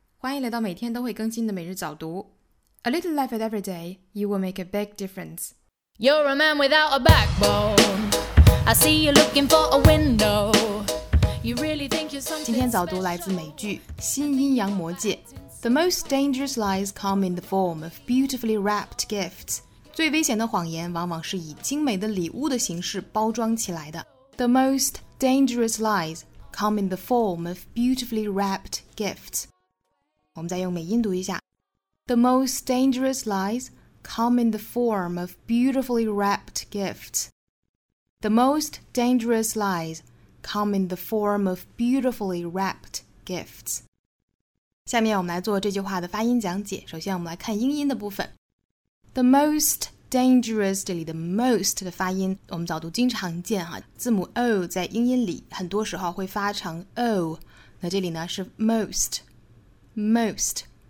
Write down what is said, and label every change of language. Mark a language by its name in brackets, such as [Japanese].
[Chinese] 欢迎来到每天都会更新的每日早读。 [English] A little life at every day, you will make a big difference. You're a man without a backbone. I see you looking for a window. You really think you're something special. [Chinese] 今天早读来自美剧《新阴阳魔戒》。 [English] The most dangerous lies come in the form of beautifully wrapped gifts. [Chinese] 最危险的谎言往往是以精美的礼物的形式包装起来的。 [English] The most dangerous lies. Come in the form of beautifully wrapped gifts. [Chinese] 我们再用美音读一下。 [English] The most dangerous lies come in the form of beautifully wrapped gifts. The most dangerous lies come in the form of beautifully wrapped gifts. [Chinese] 下面我们来做这句话的发音讲解。首先我们来看英音的部分。 [English] The most dangerous, [Chinese] 这里的 most 的发音我们早读经常见哈，字母 O 在英音里很多时候会发成 O, 那这里呢是 most, most.